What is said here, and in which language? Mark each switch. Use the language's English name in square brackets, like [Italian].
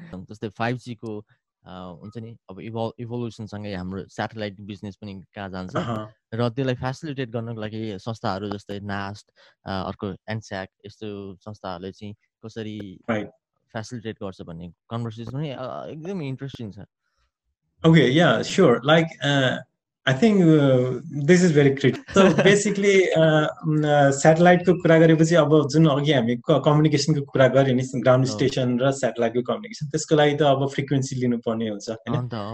[Nepali] जस्तै 5G हुन्छ नि अब इभोल्युसनसँगै हाम्रो सेटेलाइट बिजनेस पनि कहाँ जान्छ र त्यसलाई फेसिलिटेट गर्नको लागि संस्थाहरू जस्तै नास्ट अर्को एनस्याक यस्तो संस्थाहरूले चाहिँ कसरी फेसिलिटेट गर्छ भन्ने कन्भर्सेसन पनि एकदम इन्ट्रेस्टिङ छ. [English] Okay yeah sure like I think this is very critical. [Nepali] So basically सेटेलाइटको कुरा गरेपछि अब जुन अघि हामी कम्युनिकेसनको कुरा गऱ्यो नि ग्राउन्ड स्टेसन र सेटेलाइटको कम्युनिकेसन त्यसको लागि त अब फ्रिक्वेन्सी लिनुपर्ने हुन्छ होइन.